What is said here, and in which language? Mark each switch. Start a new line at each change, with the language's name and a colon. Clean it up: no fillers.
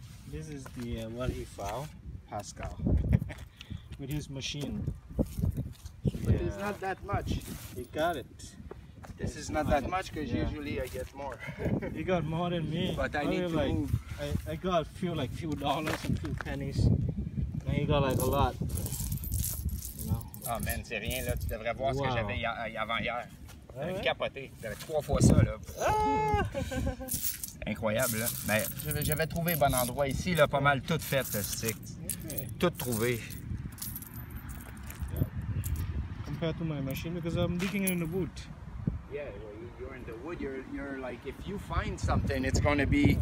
English: This is the what he found, Pascal, with his machine. But yeah. It's not that much. He got it. This is not that much because usually I get more. He got more than me. But I need to like, move. I got a few like few dollars and few pennies. Now you got like a lot. You know.
French: Ah oh, man, c'est rien là. Tu devrais voir ce que j'avais avant hier. Capoté, t'avais trois fois ça là. Ah! incroyable. Là. Mais j'avais trouvé bon endroit ici, là, pas mal tout fait, le stick. Okay. Tout trouvé.
English: Compared to my machine, because I'm digging in the wood. Yeah, well, you're in the wood. You're like, if you find something, it's going to be